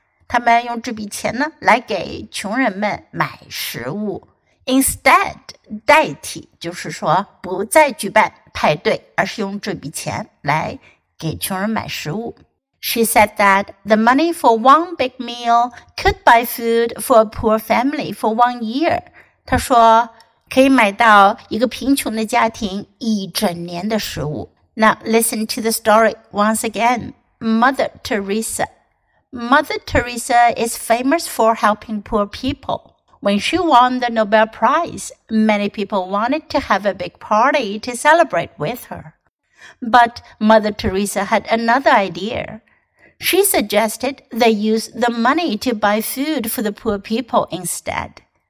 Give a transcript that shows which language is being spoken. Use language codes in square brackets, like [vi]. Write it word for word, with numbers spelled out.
[zh] 他们用这笔钱呢来给穷人们买食物Instead, 代替就是说不再举办派对，而是用这笔钱来给穷人买食物。 [en] She said that the money for one big meal could buy food for a poor family for one year. [zh] 她说可以买到一个贫穷的家庭一整年的食物。 [en] Now listen to the story once again. Mother Teresa. Mother Teresa is famous for helping poor people. When she won the Nobel Prize, many people wanted to have a big party to celebrate with her. But Mother Teresa had another idea. She suggested they use the money to buy food for the poor people instead.